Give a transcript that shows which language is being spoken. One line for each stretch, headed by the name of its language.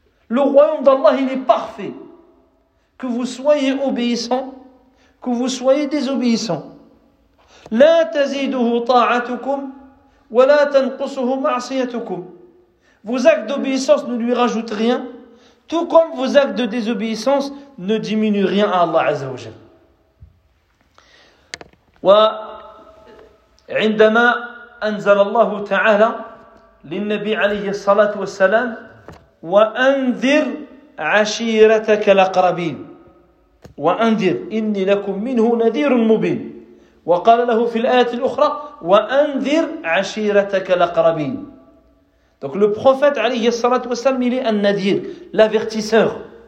French: Le royaume d'Allah, il est parfait. Que vous soyez obéissant, que vous soyez désobéissant.
Arabic: La taziduhu ta'atukum, wa la tanqusuhu ma'asiyatukum.
French: Vos actes d'obéissance ne lui rajoutent rien, tout comme vos actes de désobéissance ne diminuent rien à Allah
Arabic: Azza wa Jalla. Wa indama anzal Allah ta'ala للنبي عليه الصلاة والسلام وأنذر عشيرتك الأقربين وأنذر إني لكم منه نذير مبين وقال له في الآية الأخرى وأنذر عشيرتك الأقربين.
French: Donc le prophète
Arabic: عليه الصلاة والسلام
French: il est un nadir, l'avertisseur.